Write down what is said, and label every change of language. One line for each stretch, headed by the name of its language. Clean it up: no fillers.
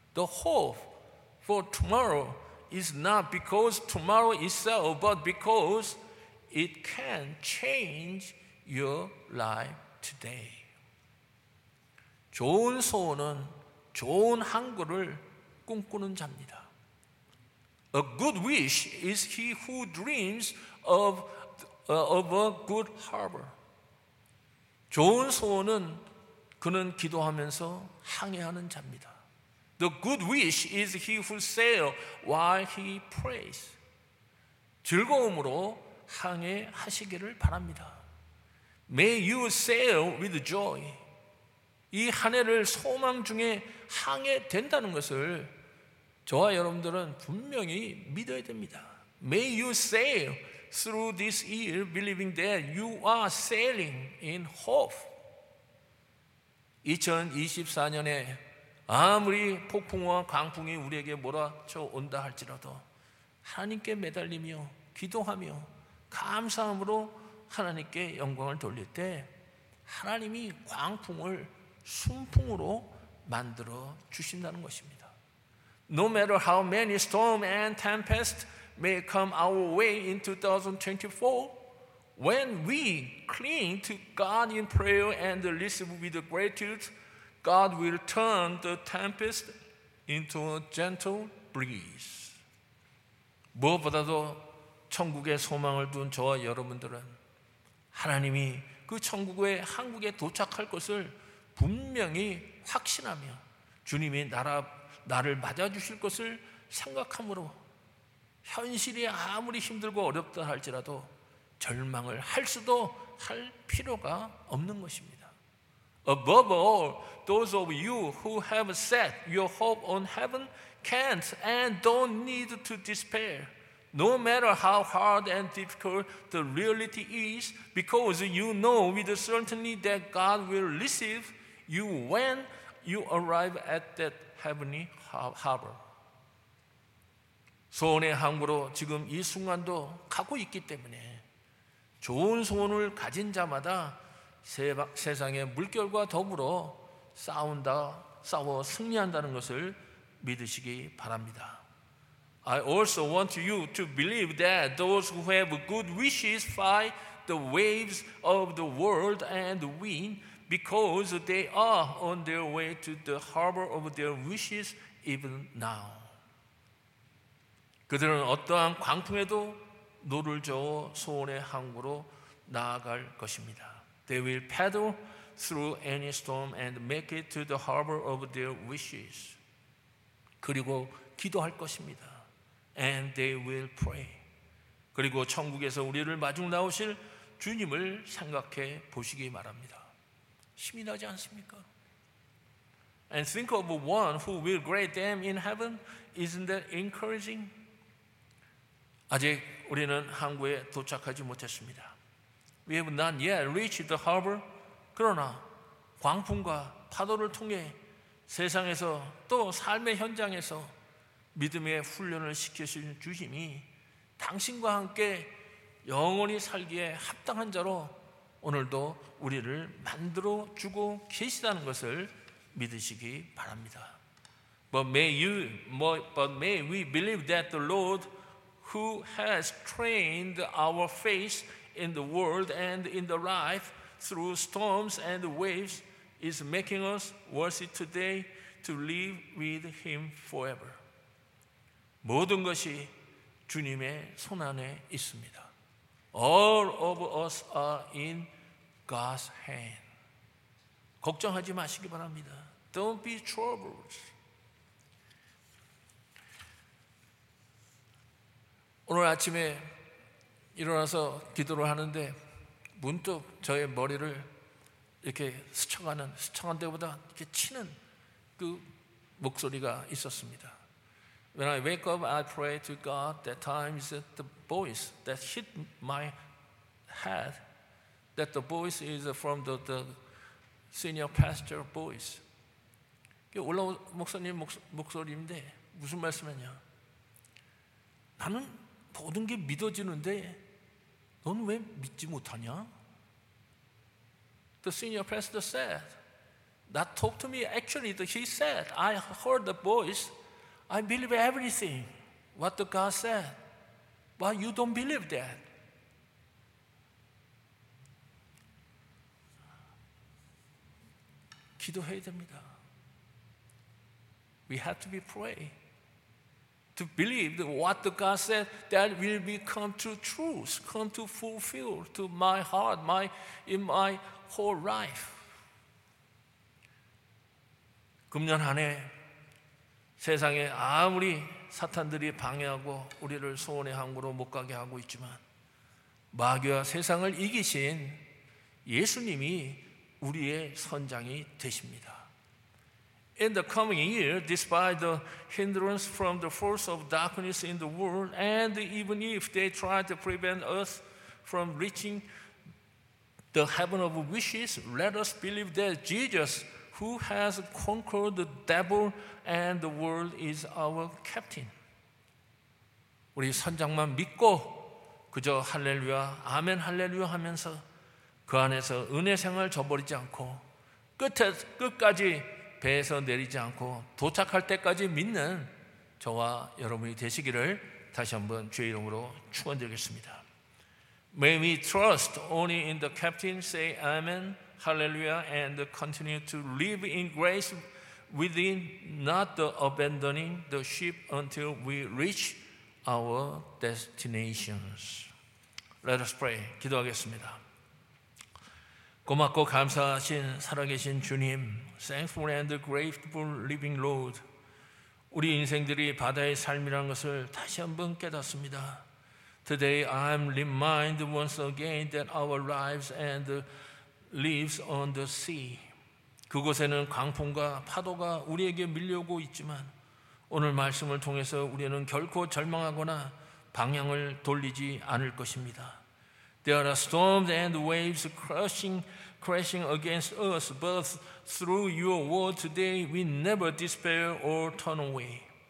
English: The hope for tomorrow is not because tomorrow itself, but because it can change your life today.
Korean: 좋은 소원은 좋은 항구를 꿈꾸는 자입니다.
English: A good wish is he who dreams of a good harbor.
Korean: 좋은 소원은 그는 기도하면서 항해하는 자입니다.
English: The good wish is he who sails while he prays.
Korean: 즐거움으로 항해하시기를 바랍니다.
English: May you sail with joy.
Korean: 이 한 해를 소망 중에 항해된다는 것을 저와 여러분들은 분명히 믿어야 됩니다.
English: May you sail through this year believing that you are sailing in hope.
Korean: 2024년에 아무리 폭풍과 강풍이 우리에게 몰아쳐 온다 할지라도 하나님께 매달리며 기도하며 감사함으로 하나님께 영광을 돌릴 때 하나님이 광풍을 순풍으로 만들어 주신다는 것입니다.
English: No matter how many storms and tempests may come our way in 2024, when we cling to God in prayer and listen with gratitude, God will turn the tempest into a gentle breeze.
Korean: 무엇보다도 천국의 소망을 둔 저와 여러분들은 하나님이 그 천국의 한국에 도착할 것을 분명히 확신하며 주님이 나를 맞아주실 것을 생각함으로 현실이 아무리 힘들고 어렵다 할지라도 절망을 할 수도 할 필요가 없는 것입니다.
English: Above all, those of you who have set your hope on heaven can't and don't need to despair. No matter how hard and difficult the reality is, because you know with certainty that God will receive you when you arrive at that heavenly harbor.
Korean: 소원의 항구로 지금 이 순간도 가고 있기 때문에 좋은 소원을 가진 자마다 세상의 물결과 더불어 싸워 승리한다는 것을 믿으시기 바랍니다.
English: I also want you to believe that those who have good wishes fight the waves of the world and win because they are on their way to the harbor of their wishes even now.
Korean: 그들은 어떠한 광풍에도 노를 저어 소원의 항구로 나아갈 것입니다.
English: They will paddle through any storm and make it to the harbor of their wishes.
Korean: 그리고 기도할 것입니다.
English: And they will pray.
Korean: 그리고 천국에서 우리를 마중 나오실 주님을 생각해 보시기 바랍니다. 힘이 나지 않습니까?
English: And think of one who will greet them in heaven. Isn't that encouraging?
Korean: 아직 우리는 항구에 도착하지 못했습니다.
English: We have not yet reached the harbor.
Korean: 그러나 광풍과 파도를 통해 세상에서 또 삶의 현장에서 믿음의 훈련을 시켜주신 주님이 당신과 함께 영원히 살기에 합당한 자로 오늘도 우리를 만들어 주고 계시다는 것을 믿으시기 바랍니다.
English: But may we believe that the Lord who has trained our faith in the world and in the life through storms and waves is making us worthy today to live with him forever.
Korean: 모든 것이 주님의 손 안에 있습니다.
English: All of us are in God's hand.
Korean: 걱정하지 마시기 바랍니다.
English: Don't be troubled.
Korean: 오늘 아침에 일어나서 기도를 하는데 문득 저의 머리를 이렇게 스쳐간 데보다 이렇게 치는 그 목소리가 있었습니다.
English: When I wake up, I pray to God. That time is the voice that hit my head. That the voice is from the senior pastor voice.
Korean: 이게 올라온 목사님 목소리인데 무슨 말씀이냐? 나는 모든 게 믿어지는데 넌 왜 믿지 못하냐?
English: The senior pastor said, "That talked to me. Actually, he said, I heard the voice." I believe everything what the God said, but you don't believe that.
Korean: 기도해야 됩니다.
English: We have to be pray to believe that what the God said that will become to truth, come to fulfill to my heart, in my whole life.
Korean: 금년 한해 세상에 아무리 사탄들이 방해하고 우리를 소원의 항구로 못 가게 하고 있지만 마귀와 세상을 이기신 예수님이 우리의 선장이 되십니다.
English: In the coming year, despite the hindrance from the force of darkness in the world, and even if they try to prevent us from reaching the heaven of wishes, let us believe that Jesus who has conquered the devil and the world is our captain.
Korean: 우리 선장만 믿고 그저 할렐루야 아멘 할렐루야 하면서 그 안에서 은혜 생활 저버리지 않고 끝까지 배에서 내리지 않고 도착할 때까지 믿는 저와 여러분이 되시기를 다시 한번 주의 이름으로 축원드리겠습니다.
English: May we trust only in the captain, say amen, hallelujah, and continue to live in grace within, not the abandoning the ship until we reach our destinations. Let us pray.
Korean: 기도하겠습니다. 고맙고 감사하신 살아계신 주님,
English: thankful and grateful living Lord,
Korean: 우리 인생들이 바다의 삶이라는 것을 다시 한번 깨닫습니다.
English: Today I'm reminded once again that our lives and lives on the sea.
Korean: 그곳에는 광풍과 파도가 우리에게 밀려오고 있지만 오늘 말씀을 통해서 우리는 결코 절망하거나 방향을 돌리지 않을 것입니다.
English: There are storms and waves crashing against us, but through your word today, we never despair or turn away.